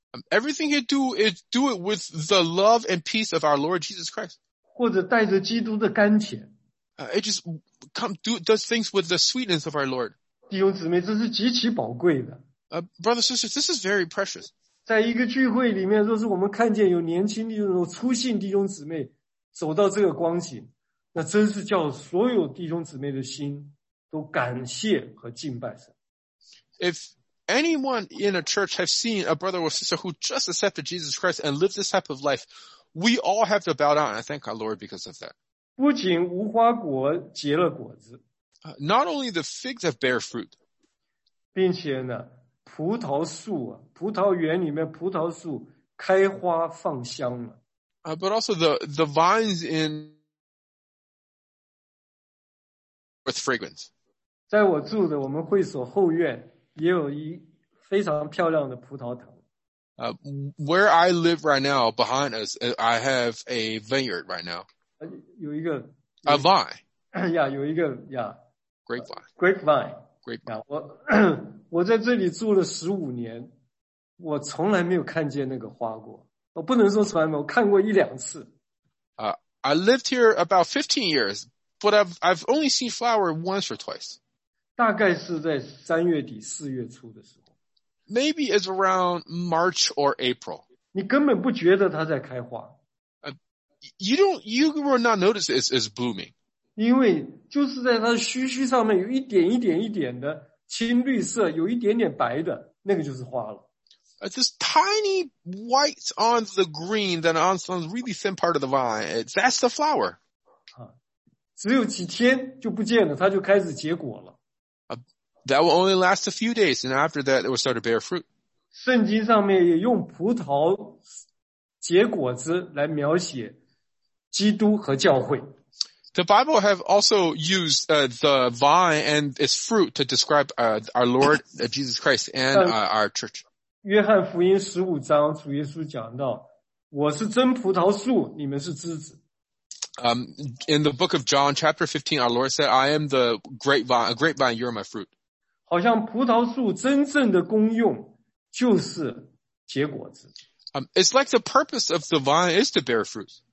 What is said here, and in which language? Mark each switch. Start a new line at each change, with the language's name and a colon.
English: Everything he do is do it with the love and peace of our Lord Jesus Christ.
Chinese: 或者带着基督的甘甜。
English: It just does things with the sweetness of our Lord.
Chinese: 弟兄姊妹，这是极其宝贵的。
English: Brothers and sisters, this is very precious.
Chinese: 在一个聚会里面，若是我们看见有年轻弟兄、有初信弟兄姊妹走到这个光景，那真是叫所有弟兄姊妹的心都感谢和敬拜神。
English: If anyone in a church has seen a brother or sister who just accepted Jesus Christ and lived this type of life, we all have to bow down and thank our Lord because of that.
Chinese: 不仅无花果结了果子。
English: Not only the figs have bear fruit.
Chinese: 并且呢葡萄树啊，葡萄园里面葡萄树开花放香了。
English: But also the vines in with fragrance.
Chinese: 在我住的我们会所后院也有一非常漂亮的葡萄藤。
English: Where I live right now, behind us, I have a vineyard right now.
Chinese: 有一个
English: a vine.
Chinese: Yeah, 有一个 yeah.
English: Grapevine. Grapevine. Grapevine.
Chinese: Yeah, 我在这里住了15年，我从来没有看见那个花过。我不能说从来没有，我看过一两次。
English: I lived here about 15 years, but I've only seen flower once or twice.
Chinese: 大概是在三月底四月初的时候。
English: Maybe it's around March or April.
Chinese: 你根本不觉得它在开花。
English: You will not notice it's blooming.
Chinese: 因为就是在它的须须上面有一点一点一点的青绿色，有一点点白的，那个就是花了。
English: This tiny white on the green, then on some really thin part of the vine, that's the flower.
Chinese: 只有几天就不见了，它就开始结果了。
English: That will only last a few days, and after that, it will start to bear fruit.
Chinese: 圣经上面也用葡萄结果子来描写基督和教会。
English: The Bible have also used the vine and its fruit to describe our Lord Jesus Christ and our church.
Chinese: 约翰福音15章主耶稣讲到我是真葡萄树你们是枝子。
English: In the book of John chapter 15 our Lord said I am the grapevine, a grapevine, you are my fruit.
Chinese: 好像葡萄树真正的功用就是结果子。
English: It's like the purpose of the vine is to bear fruit.